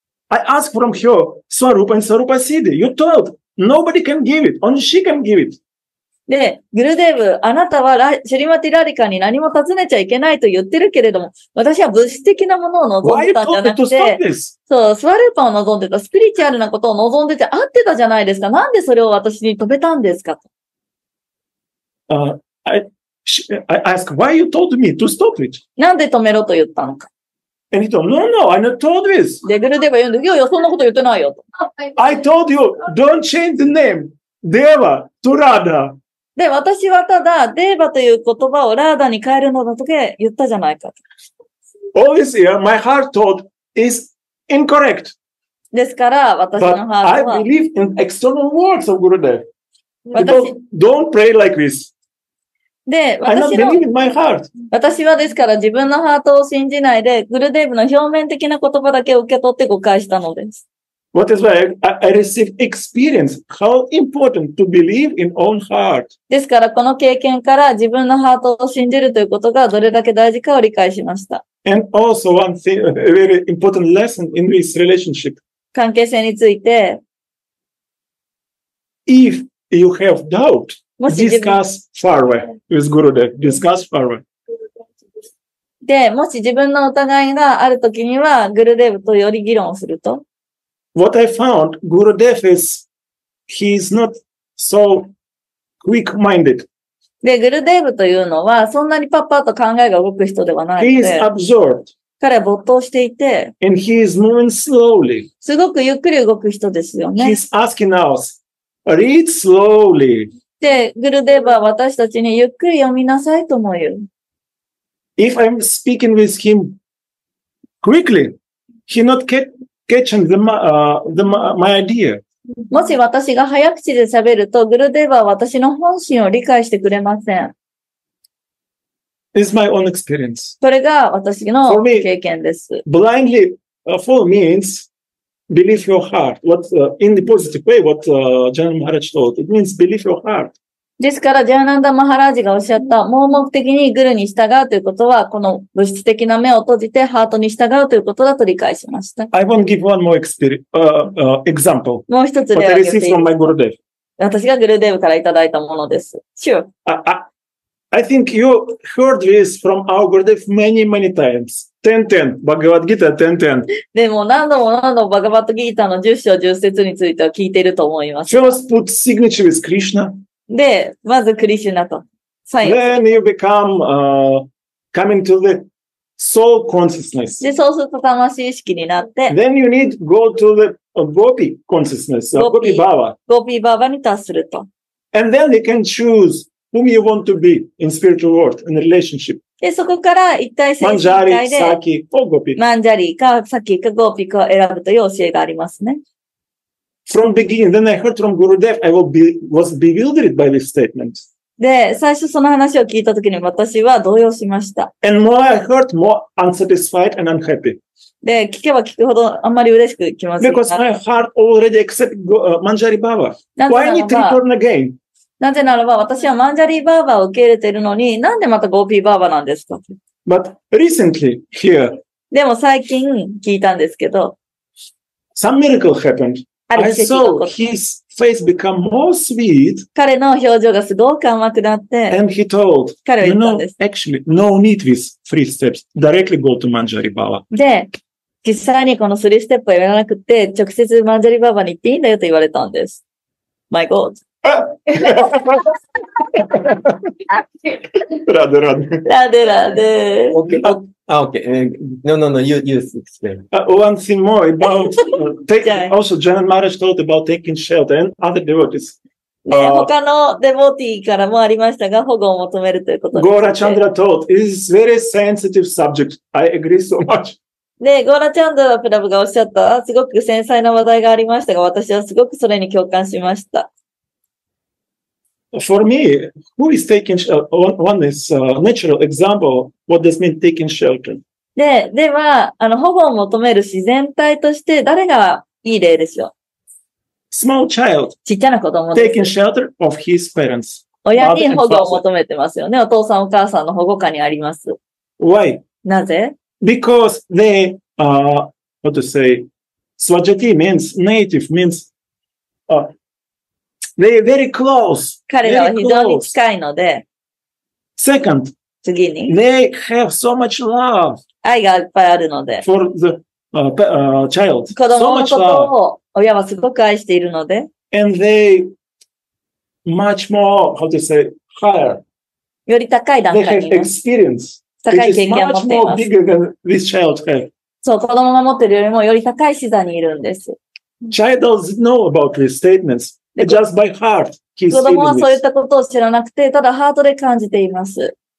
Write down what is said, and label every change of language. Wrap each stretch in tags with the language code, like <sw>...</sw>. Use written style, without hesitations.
<en>I ask from her, Swarupa and Swarupa Siddhi. You told. Nobody can give it. Only she can give it.</en> <ja>で、グルデーブ、あなたはシリマティラリカに何も尋ねちゃいけないと言ってるけれども、私は物質的なものを望んでたんじゃなくて、そう、スワルーパを望んでた、スピリチュアルなことを望んでて合ってたじゃないですか。なんでそれを私に止めたんですかと。</ja> <en>I ask, why you told me to stop it?</en> <ja>なんで止めろと言ったのか。</ja> <en>And he told, no, no, I not told this.</en> <ja>で、グルデーブは言うんで、いやいや、そんなこと言ってないよと。</ja> <en>I told you, don't change the name, Deva, to Radha.</en> <ja>で、私はただ、デーバという言葉をラーダに変えるのだとけ言ったじゃないかと。</ja> <en>All this year, my heart thought is incorrect.</en> <ja>ですから、私のハートは。</ja> <en>But I believe in external words of Gurudev. Don't pray like this.</en> <ja>で、私はですから、自分のハートを信じないで、グルデーブの表面的な言葉だけを受け取って誤解したのです。</ja> <en>What is why I received experience. How important to believe in own heart.</en> <ja>ですから、この経験から自分のハートを信じるということがどれだけ大事かを理解しました。</ja> <en>And also one thing, a very important lesson in this relationship.</en> <ja>関係性について。</ja> <en>If you have doubt, discuss far away with Gurudev. Discuss far away.</en> <ja>で、もし自分の疑いがあるときには、グルデーブとより議論をすると。</ja> <en>What I found, Gurudev is, he's not so quick-minded.</en> <ja>で、グルデーブというのは、そんなにパッパッと考えが動く人ではないので。</ja> <en>He's absorbed.</en> <ja>彼は没頭していて。</ja> <en>And he is moving slowly.</en> <ja>すごくゆっくり動く人ですよね。</ja> <en>He's asking us, read slowly.</en> <ja>で、グルデーブは私たちにゆっくり読みなさいとも言う。</ja> <en>If I'm speaking with him quickly, he not get,my idea.</en> <ja>もし私が早口で喋ると、グルデーバは私の本心を理解してくれません。</ja> <en>It's my own experience.</en> <ja>これが私の経験です。</ja> <en>For me, blindly follow means believe your heart. What, in the positive way, what Jnana Maharaj told. It means believe your heart.</en> <ja>ですから、ジャーナンダ・マハラージがおっしゃった、盲目的にグルに従うということは、この物質的な目を閉じてハートに従うということだと理解しました。</ja> <en>I want to give one more example.</en> <ja>もう一つ例を挙げて。</ja> <en>What I received from my Gurudev.</en> <ja>私がグルデーブからいただいたものです。</ja> <en>Sure. I think you heard this from our Gurudev many, many times. 10-10, Bhagavad Gita 10-10.</en> <ja>でも何度も何度もバガバットギータの10章10節については聞いていると思います。</ja> <en>First put signature with Krishna.</en> <ja>で、まず、クリシュナと。</ja> <en>Then you become, coming to the soul consciousness.</en> <ja>で、そうすると魂意識になって。</ja> <en>Then you need to go to the Gopi consciousness, Gopi Baba.</en> <ja>Gopi Baba に達すると。</ja> <en>And then you can choose whom you want to be in spiritual world, in relationship.</en> <ja>で、そこから一体精神界で、マンジャリ、サキ、オゴピ。マンジャリか、サキか、ゴピかを選ぶという教えがありますね。</ja> <en>From beginning, then I heard from Gurudev, I was bewildered by this statement.</en> <ja>で、最初その話を聞いたときに私は動揺しました。</ja> <en>And more I heard, more unsatisfied and unhappy.</en> <ja>で、聞けば聞くほどあんまり嬉しく来ません。</ja> <en>Because my heart already accepted Manjari Baba. Why need to return again?</en> <ja>なぜならば私はマンジャリーバーバーを受け入れているのに、なんでまたゴーピーバーバーなんですか?</ja> <en>But recently here.</en> <ja>でも最近聞いたんですけど。</ja> <en>Some miracle happened. I saw his face become more sweet.</en> <ja>彼の表情がすごく甘くなって。</ja> <en>And he told,</en> <ja>彼は言ったんです。</ja> <en>You know, actually, no need these three steps. Directly go to Manjari Baba.</en> <ja>で、実際にこの3ステップをやらなくて、直接Manjari Babaに行っていいんだよと言われたんです。</ja> <en>My God.</en> <ja>ラデラデ。ラデラデ。</ja> <en>Okay. Ah, okay. No. You explain. One thing more about also Janan Maharaj told about taking shelter and other devotees.</en> <ja>他のデボティからもありましたが、保護を求めるということ。</ja> <en>Gora Chandra told, "This is very sensitive subject." I agree so much.</en> <ja>で、ゴラチャンドラプラブがおっしゃった、すごく繊細な話題がありましたが、私はすごくそれに共感しました。</ja> <en>For me, who is taking shelter? One is a natural example. What does mean taking shelter?</en> <ja>で、では、保護を求める自然体として誰がいい例でしょう?</ja> <en>Small child.</en> <ja>ちっちゃな子供です。</ja> <en>Taking shelter of his parents.</en> <ja>親に保護を求めてますよね。お父さんお母さんの保護下にあります。</ja> <en>Why?</en> <ja>なぜ?</ja> <en>Because they, what to say, Swajati means, native means, They are very close.</en> <ja>彼らは非常に近いので。</ja> <en>Second.</en> <ja>次に。</ja> <en>They have so much love.</en> <ja>愛がいっぱいあるので。</ja> <en>For the, child.</en> <ja>子供のことを親はすごく愛しているので。</ja> <en>And they much more, how to say, higher.</en> <ja>より高い段階に、ね。</ja> <en>They have experience.</en> <ja>高い経験を持っています。</ja> <en>Much more bigger than this child has.</en> <ja>そう、子供が持っているよりもより高い視座にいるんです。</ja> <en>Child doesn't know about these statements. Just by heart, he's</en> <ja>子供はそういったことを知らなくて、ただハートで感じています。</ja>